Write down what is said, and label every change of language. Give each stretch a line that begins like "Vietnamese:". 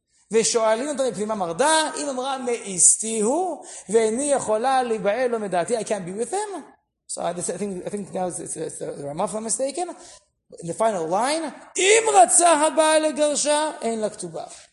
Hebrew: ושואלים אותו מפנימה מרדה, אם אמרה מאיסתי הוא, ואיני יכולה להיבעל לו מדעתי,
English: I can't be with him. So I think now it's the Ramah from mistaken. In the final line,
Hebrew: אם רצה הבעל לגרשה, אין לה כתובה.